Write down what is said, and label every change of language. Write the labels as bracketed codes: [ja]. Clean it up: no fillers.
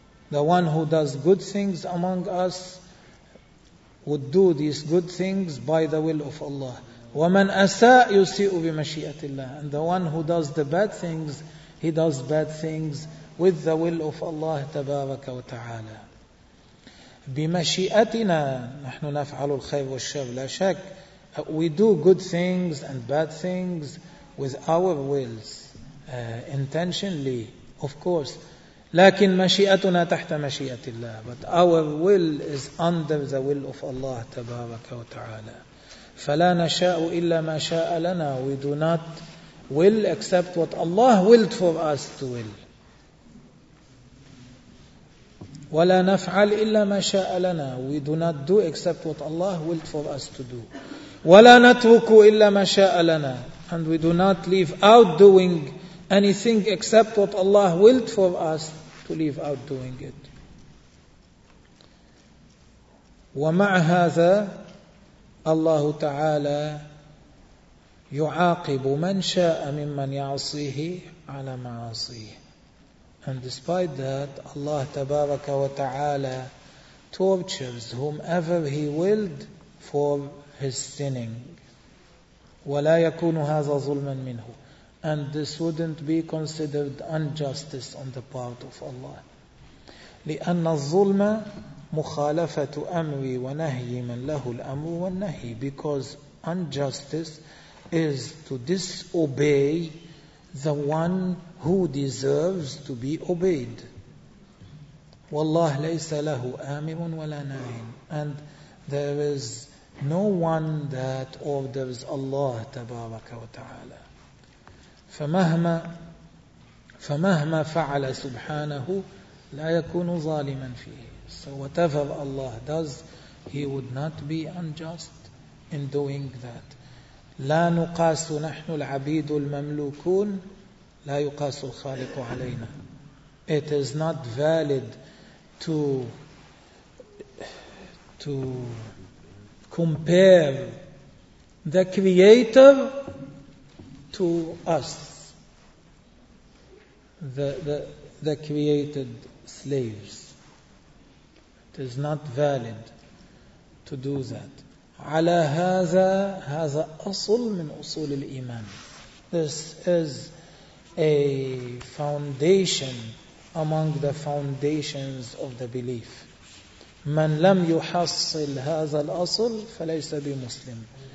[en] The one who does good things among us would do these good things by the will of Allah. [ar] وَمَنْ أَسَاءُ يُسِيءُ بِمَشِيئَةِ اللَّهِ. [en] And the one who does the bad things, he does bad things with the will of Allah [ar] تبارك وتعالى. بمشيئتنا نحن نفعل الخير والشر لا شك. [en] We do good things and bad things with our wills, intentionally, of course. [ar] لكن مشيئتنا تحت مشيئة الله. [en] But our will is under the will of Allah [ar] تبارك وتعالى. فلا نشاء إلا ما شاء لنا. [en] We do not will except what Allah willed for us to will. [ar] ولا نفعل إلا ما شاء لنا. [en] We do not do except what Allah willed for us to do. [ar] ولا نترك إلا ما شاء لنا. [en] And we do not leave out doing anything except what Allah willed for us to leave out doing it. [ar] ومع هذا الله تعالى يعاقب من شاء ممن يعصيه على معاصيه. [en] And despite that, Allah [ar] تبارك وتعالى [en] tortures whomever He willed for his sinning. [ar] ولا يكون هذا ظلما منه. [en] And this wouldn't be considered injustice on the part of Allah. [ar] لأن الظلم مخالفة أمر ونهي من له الأمر والنهي. [en] Because injustice is to disobey the one who deserves to be obeyed. [ar] والله ليس له آمر ولا ناهي. [en] And there is no one that orders Allah [ar] تبارك وتعالى. فمهما فعل سبحانه لا يكون ظالما فيه. [en] So whatever Allah does, He would not be unjust in doing that. [ar] لا نقاس نحن العبيد المملوكون لا يقاس الخالق علينا. [en] It is not valid to compare the Creator to us, the created slaves. It is not valid to do that. [ar] على هذا أصل من أصول الإيمان. [en] This is a foundation among the foundations of the belief. [ar] من لم يحصل هذا الأصل فليس بمسلم.